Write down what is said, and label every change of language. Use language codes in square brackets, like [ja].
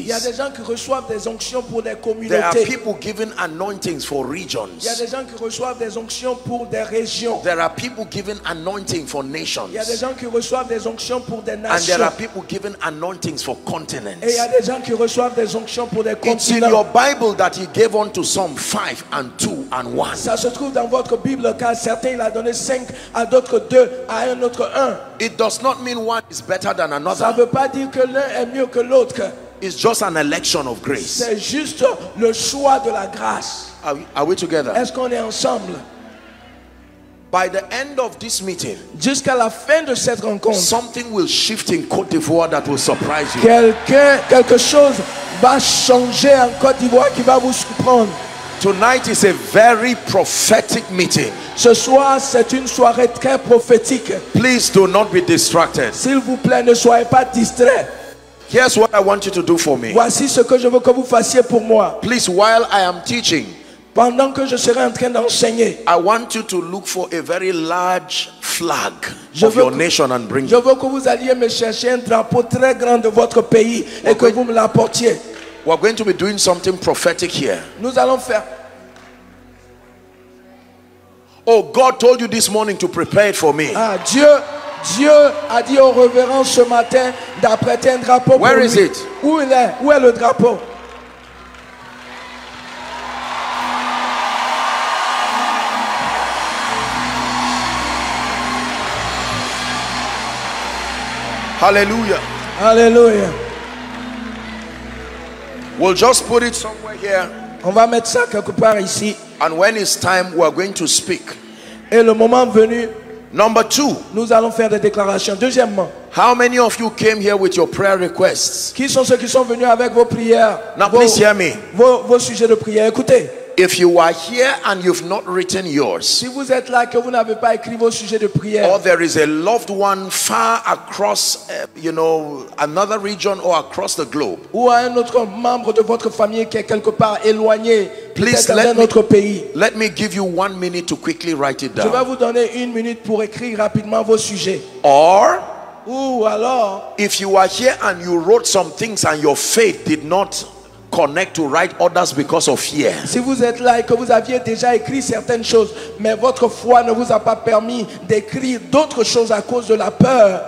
[fr] Il y a des gens qui reçoivent des onctions pour des communautés. [en] There are people given anointings for regions. [fr] Il y a des gens qui reçoivent des onctions pour des régions. [en] There are people given anointing for nations. [fr] Il y a des gens qui reçoivent des pour des nations. [en] And there are people given anointings for continents. [fr] Et il y a des gens qui reçoivent des onctions pour des continents. [en] It's in your Bible that he gave unto some 5 and 2 and 1. [fr] Ça se trouve dans votre Bible car certains il a donné 5 à d'autres 2 à un autre 1. [en] It does not mean one is better than another. [fr] Ça veut pas dire que l'un est mieux que l'autre. [en] It's just an election of grace. [fr] C'est juste le choix de la grâce. [en] Are we together? [fr] Est-ce qu'on est ensemble? [en] By the end of this meeting, [fr] jusqu'à la fin de cette rencontre, [en] something will shift in Côte d'Ivoire that will surprise you. [fr] Quelque chose va changer en Côte d'Ivoire qui va vous surprendre. [en] Tonight is a very prophetic meeting. [fr] Ce soir, c'est une soirée très prophétique. [en] Please do not be distracted. [fr] S'il vous plaît, ne soyez pas distrait. [en] Here's what I want you to do for me. [fr] Voici ce que je veux que vous fassiez pour moi. [en] Please, while I am teaching, [fr] pendant que je serai en train d'enseigner, [en] I want you to look for a very large flag of your nation and bring it. [fr] Je veux que vous alliez me chercher un drapeau très grand de votre pays et que vous me l'apportiez. [en] We're going to be doing something prophetic here. [fr] Nous allons faire. [en] Oh, God told you this morning to prepare it for me. [fr] Ah, Dieu a dit au révérend ce matin d'apprêter un drapeau pour lui. [en] Where is it? [fr] Où il est? Où est le drapeau? [en] Hallelujah. [fr] Hallelujah. [en] We'll just put it somewhere here. [fr] On va mettre ça quelque part ici. [en] And when it's time, we're going to speak. [fr] Et le moment venu, [en] number two, [fr] nous allons faire des déclarations. Deuxièmement, [en] how many of you came here with your prayer requests? [fr] Qui sont ceux qui sont venus avec vos prières? [en] Now please hear me. [fr] Vos sujets de prière, écoutez. [en] If you are here and you've not written yours, [fr] si vous êtes là que vous n'avez pas écrit vos sujets de prière, [en] or there is a loved one far across, another region or across the globe, [fr] ou à un autre membre de votre famille qui est quelque part éloigné, [en] please let me give you 1 minute to quickly write it down. [fr] Je vais vous donner une minute pour écrire rapidement vos sujets. [en] Or, [fr] ou alors, [en] if you are here and you wrote some things and your faith did not connect to write others because of fear. [fr] Si vous êtes là et que vous aviez déjà écrit certaines choses, mais votre foi ne vous a pas permis d'écrire d'autres choses à cause de la peur,